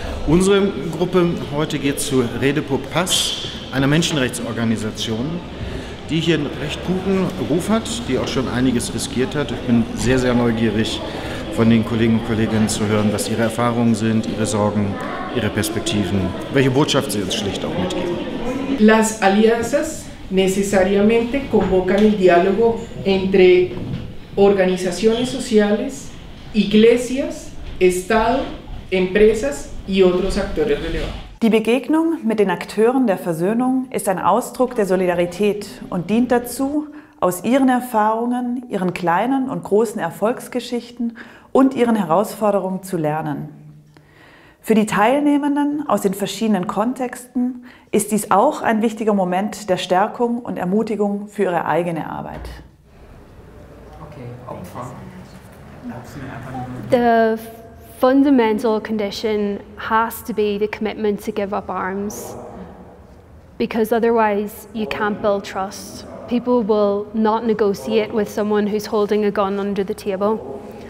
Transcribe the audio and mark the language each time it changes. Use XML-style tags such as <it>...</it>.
<de>Unsere Gruppe heute geht zu Rede pour Paz, einer Menschenrechtsorganisation, die hier einen recht guten Ruf hat, die auch schon einiges riskiert hat. Ich bin sehr, sehr neugierig, von den Kollegen und Kolleginnen zu hören, was ihre Erfahrungen sind, ihre Sorgen, ihre Perspektiven, welche Botschaft sie uns schlicht auch mitgeben.</de> <es>Las alianzas necesariamente convocan el diálogo entre organizaciones sociales, iglesias, Estado, empresas y otros actores relevantes.</es> <de>Die Begegnung mit den Akteuren der Versöhnung ist ein Ausdruck der Solidarität und dient dazu, aus ihren Erfahrungen, ihren kleinen und großen Erfolgsgeschichten und ihren Herausforderungen zu lernen. Für die Teilnehmenden aus den verschiedenen Kontexten ist dies auch ein wichtiger Moment der Stärkung und Ermutigung für ihre eigene Arbeit.</de> <en>The fundamental condition has to be the commitment to give up arms, because otherwise you can't build trust. People will not negotiate with someone who's holding a gun under the table.</en>